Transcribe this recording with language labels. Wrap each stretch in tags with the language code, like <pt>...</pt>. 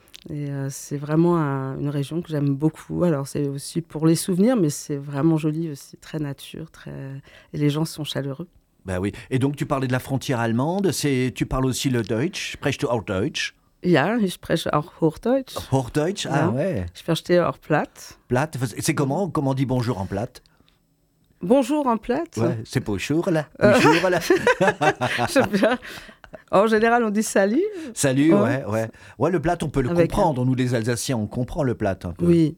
<fr>Et c'est vraiment une région que j'aime beaucoup. Alors, c'est aussi pour les souvenirs, mais c'est vraiment joli aussi, très nature, et les gens sont chaleureux. Ben oui. Et donc, tu parlais de la frontière allemande. Tu parles aussi le Deutsch.</fr> <de>Sprichst du auch Deutsch? Ja, ich spreche auch Hochdeutsch. Hochdeutsch, ah ja. Ouais. Ich spreche auch Platt.</de> <fr>Platt, c'est comment? Comment on dit bonjour en Platt? Bonjour en Platt? Ouais, c'est bonjour, là. Bonjour, là. J'aime bien. En général, on dit salut. Salut, ouais. Le plat, on peut le comprendre. Nous, les Alsaciens, on comprend le plat un peu. Oui,</fr>